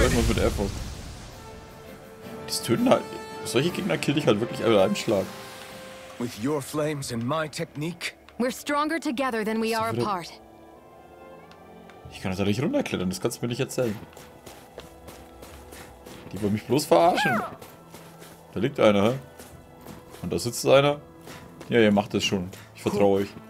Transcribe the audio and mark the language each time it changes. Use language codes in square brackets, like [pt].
[de] Irgendwas mit Air Force. Das töten halt. Solche Gegner kill ich halt wirklich alle einem Schlag. [en] With your flames and my technique, we're stronger together than we are apart. [de] Ich kann das da nicht runterklettern, das kannst du mir nicht erzählen. Die wollen mich bloß verarschen. Da liegt einer, hä? Und da sitzt einer. Ja, ihr macht das schon. Ich vertraue euch.